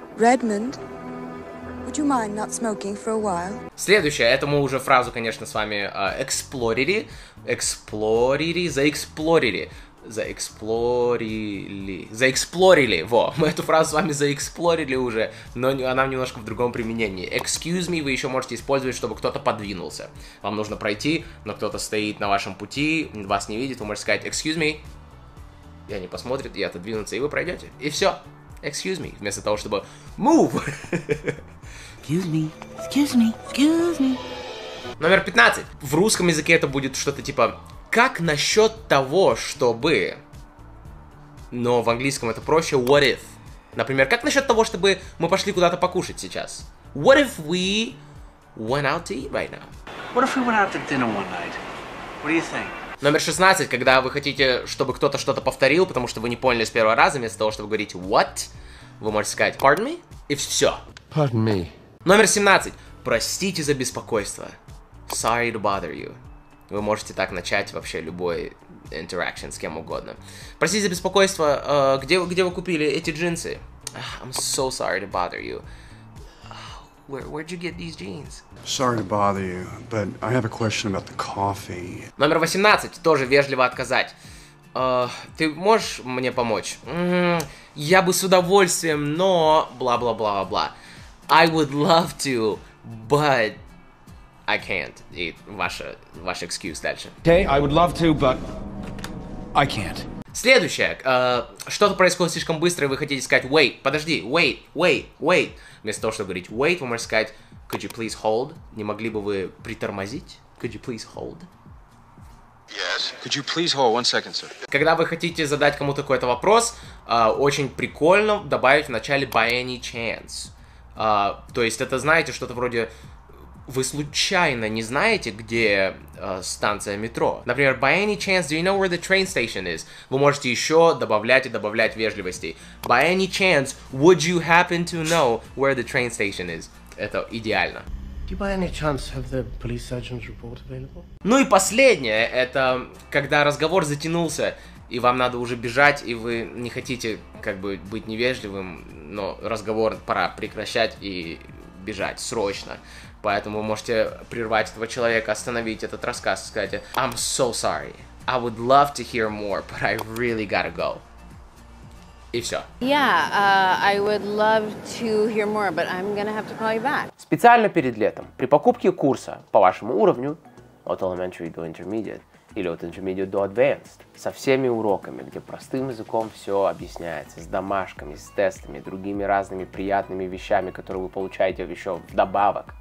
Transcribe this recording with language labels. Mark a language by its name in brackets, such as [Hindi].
[English] Redmond, would you mind not smoking for a while? [Russian] Следующее, это мы уже фразу, конечно, с вами заэксплорили, во, мы эту фразу с вами заэксплорили уже, но она немножко в другом применении. [English] Excuse me [Russian] вы еще можете использовать, чтобы кто-то подвинулся. Вам нужно пройти, но кто-то стоит на вашем пути, вас не видит, вы можете сказать [English] excuse me, [Russian] и они посмотрят, и отодвинутся, и вы пройдете, и все. [English] Excuse me, [Russian] вместо того, чтобы move. [English] Excuse me. [Russian] Номер 15. В русском языке это будет что-то типа... Как насчет того, чтобы... Но в английском это проще. [English] What if? [Russian] Например, как насчет того, чтобы мы пошли куда-то покушать сейчас? [English] What if we went out to eat right now? What if we went out to dinner one night? What do you think? [Russian] Номер 16. Когда вы хотите, чтобы кто-то что-то повторил, потому что вы не поняли с первого раза, вместо того, чтобы говорить what, вы можете сказать [English] pardon me, [Russian] и все. [English] Pardon me. [Russian] Номер 17. Простите за беспокойство. [English] Sorry to bother you. [Russian] Вы можете так начать вообще любой interaction с кем угодно. Простите за беспокойство, где вы купили эти джинсы? [English] I'm so sorry to bother you. Where'd you get these jeans? Sorry to bother you, but I have a question about the coffee. [Russian] Номер 18, тоже вежливо отказать. Ты можешь мне помочь? Я бы с удовольствием, но... Бла-бла-бла-бла-бла. [English] I would love to, but... I can't. [Russian] И ваш excuse дальше. [English] Okay, I would love to, but I can't. [Russian] Следующее. Что-то происходит слишком быстро, и вы хотите сказать wait, подожди, wait. Вместо того, чтобы говорить wait, вы можете сказать [English] could you please hold? [Russian] Не могли бы вы притормозить? [English] Could you please hold? Yes. Could you please hold one second, sir? [Russian] Когда вы хотите задать кому-то какой-то вопрос, очень прикольно добавить в начале [English] by any chance. [Russian] То есть это, знаете, что-то вроде... Вы случайно не знаете, где станция метро? Например, [English] by any chance, do you know where the train station is? [Russian] Вы можете еще добавлять и добавлять вежливостей. [English] By any chance, would you happen to know where the train station is? [Russian] Это идеально. [English] Do you by any chance have the police surgeon's report available? [Russian] Ну и последнее, это когда разговор затянулся, и вам надо уже бежать, и вы не хотите как бы быть невежливым, но разговор пора прекращать и бежать срочно. Поэтому вы можете прервать этого человека, остановить этот рассказ и сказать [English] I'm so sorry. I would love to hear more, but I really gotta go. [Russian] И все. [English] Yeah, I would love to hear more, but I'm gonna have to call you back. [Russian] Специально перед летом, при покупке курса по вашему уровню от elementary до intermediate или от intermediate до advanced со всеми уроками, где простым языком все объясняется, с домашками, с тестами, другими разными приятными вещами, которые вы получаете еще вдобавок.